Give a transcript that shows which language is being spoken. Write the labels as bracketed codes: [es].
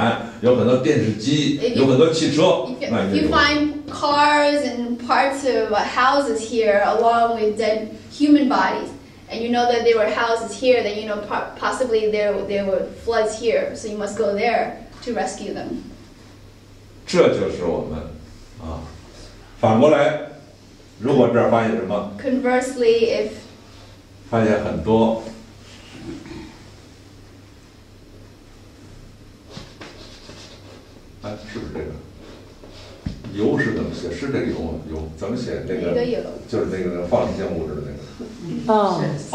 [zh] 那可能这可能出了大问题了，一定这发了山洪了，爆发洪水了，因为人很多死了很多人，有很多门板，有很多电视机，有很多汽车，那就。 [en] You find cars and parts of houses here along with dead human bodies. And you know that there were houses here, then you know possibly there were floods here, so you must go there to rescue them. [zh] 这就是我们，啊，反过来，如果这儿发现什么？ [en] Conversely, if [zh] 发现很多，哎，是不是这个？油是怎么写？是这个油，怎么写？那个就是那个放一些物质的那个。